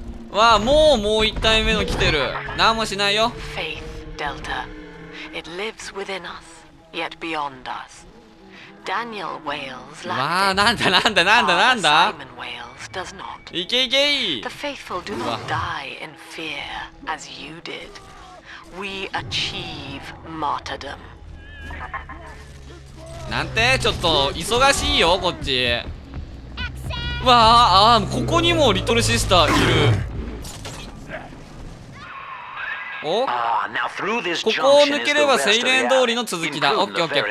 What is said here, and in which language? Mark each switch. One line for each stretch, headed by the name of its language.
Japanese: わあ、もう1体目の来てる。何もしないよ。
English: Faith Delta. It lives within us, yet beyond us. Daniel Wales lacked.
Japanese: わあ、なんだ。
English: Simon Wales does not.
Japanese: いけいけい。
English: The faithful do not die in fear as you did. We achieve martyrdom.
Japanese: なんて、ちょっと忙しいよこっち。うわー、あー、ここにもリトルシスターいる。お、ここを抜ければセイレン通りの続きだ。オッケーオッケー。